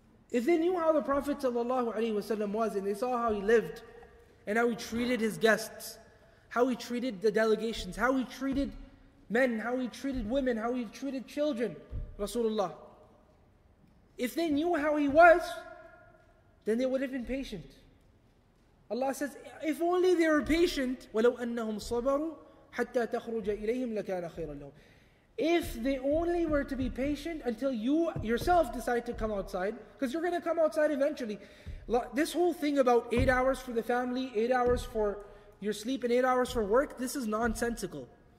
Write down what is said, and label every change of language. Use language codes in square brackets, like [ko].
[en] If they knew how the Prophet ﷺ was, and they saw how he lived, and how he treated his guests, how he treated the delegations, how he treated men, how he treated women, how he treated children, Rasulullah. If they knew how he was, then they would have been patient. Allah says, if only they were patient, [ar] وَلَوْ أَنَّهُمْ صَبَرُوا حَتَّى تَخْرُجَ إِلَيْهِمْ لَكَانَ خَيْرًا لَهُمْ. [en] If they only were to be patient until you yourself decide to come outside, because you're going to come outside eventually. This whole thing about 8 hours for the family, 8 hours for your sleep, and 8 hours for work, this is nonsensical.